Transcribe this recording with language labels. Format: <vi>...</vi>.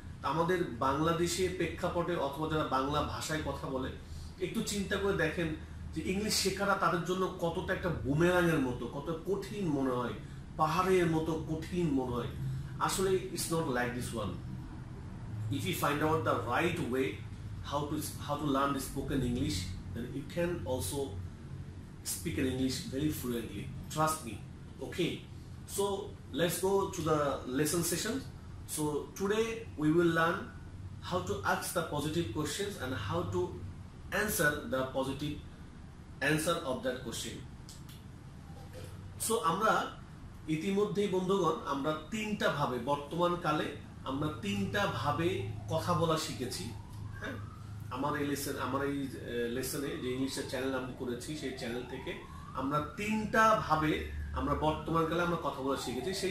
<bn>তা আমাদের বাংলাদেশের প্রেক্ষাপটে অথবা যারা বাংলা ভাষায় কথা বলে একটু চিন্তা করে দেখেন যে ইংলিশ শেখাটা তাদের জন্য কতটা একটা বুমেরাঙের মতো, কত কঠিন মনে হয়, পাহাড়ের মতো কঠিন মনে হয়।</bn> <en>আসলে it's not like this one. If you find out the right way how to learn the spoken English then you can also speak in English very fluently, trust me. Okay, so let's go to the lesson session. So today we will learn how to ask the positive questions and how to answer the positive answer of that question.</en> <bn>So আমরা ইতিমধ্যেই বন্ধুগণ আমরা তিনটা ভাবে বর্তমান কালে আমরা তিনটা ভাবে কথা বলা শিখেছি। আমার এই লেসনে যে ইংলিশের চ্যানেল আমি করেছি সেই চ্যানেল থেকে আমরা তিনটা ভাবে আমরা বর্তমান কালে আমরা কথা বলা শিখেছি।</bn>